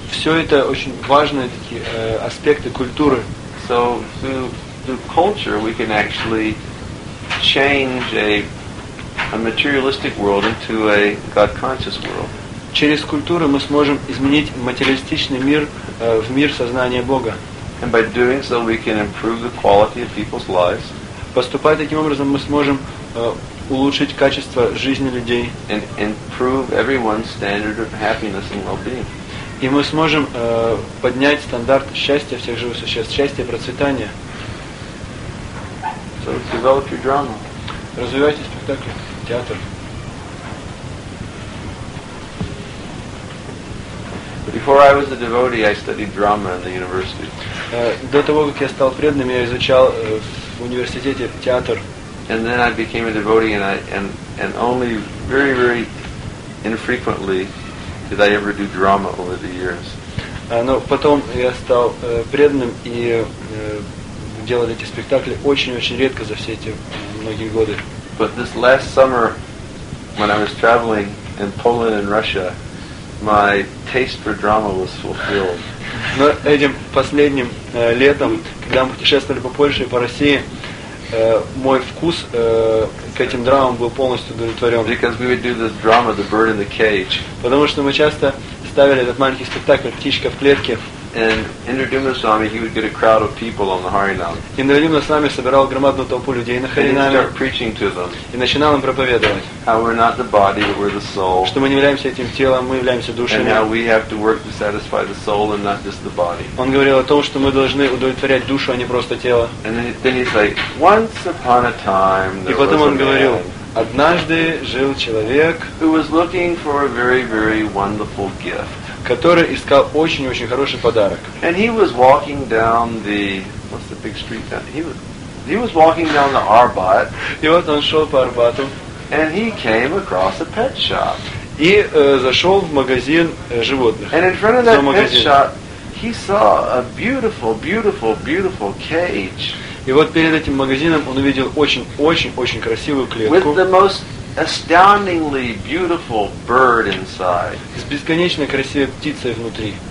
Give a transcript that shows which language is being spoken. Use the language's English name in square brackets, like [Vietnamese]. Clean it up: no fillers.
[Russian] Все это очень важные такие аспекты культуры. [English] So through culture we can actually change a materialistic world into a God conscious world. [Russian] Через культуру мы сможем изменить материалистичный мир в мир сознания Бога. [English] And by doing so we can improve the quality of people's lives. [Russian] Поступая таким образом, мы сможем улучшить качество жизни людей. [English] And improve everyone's standard of happiness and well-being. [Russian] И мы сможем поднять стандарт счастья всех живых существ, счастья и процветания. [English] So develop your drama. [Russian] Развивайте спектакль, театр. [English] Before I was a devotee, I studied drama in the university. [Russian] До того, как я стал преданным, я изучал в университете театр. [English] And then I became a devotee, and only very, very infrequently did I ever do drama over the years. [Russian] Но потом я стал преданным и делал эти спектакли очень-очень редко за все эти многие годы. [English] But this last summer, when I was traveling in Poland and Russia, my taste for drama was fulfilled. [Russian] Но этим последним летом, когда мы путешествовали по Польше и по России, мой вкус к этим драмам был полностью удовлетворен. [English] Because we would do this drama, the bird in the cage. [Russian] Потому что мы часто ставили этот маленький спектакль «Птичка в клетке». [English] And Indradyumna Swami, he would get a crowd of people on the Harinam. [Russian] Indradyumna Swami собирал громадную толпу людей на Харинаме. [English] And he'd start preaching to them. [Russian] И начинал им проповедовать. [English] How we're not the body, but we're the soul. [Russian] Что мы не являемся этим телом, мы являемся душами. [English] And how we have to work to satisfy the soul and not just the body. [Russian] Он говорил о том, что мы должны удовлетворять душу, а не просто тело. [English] And then he'd say, once upon a time, there was a man. [Russian] И потом он говорил, [English] man, [Russian] однажды жил человек, [English] who was looking for a very, very wonderful gift. [Russian] Который искал очень-очень хороший подарок. [English] And he was walking down the, what's the big street down? He was walking down the Arbat. [Russian] И вот он шел по Арбату. [English] And he came across a pet shop. [Russian] И зашел в магазин животных. [English] And in front of that pet shop, he saw a beautiful, beautiful, beautiful cage. [Russian] И вот перед этим магазином он увидел очень-очень-очень красивую клетку. [English] With the most astoundingly beautiful bird inside. [Russian] С бесконечно красивой птицей внутри.